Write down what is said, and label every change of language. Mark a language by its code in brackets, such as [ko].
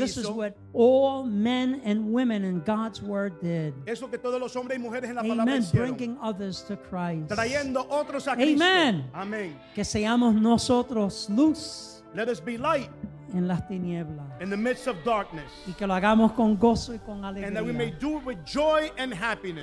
[en] This is what all men and women in God's word did. [es] Eso que todos los hombres y mujeres en la palabra hicieron. [en] Amen. Bringing others to Christ. [es] Trayendo otros a Cristo. Amen. Amen. Que seamos nosotros luz. [en] Let us be light [es] en las tinieblas. [en] In the midst of darkness. [es] Y que lo hagamos con gozo y con alegría. [en] And that we may do it with joy and happiness.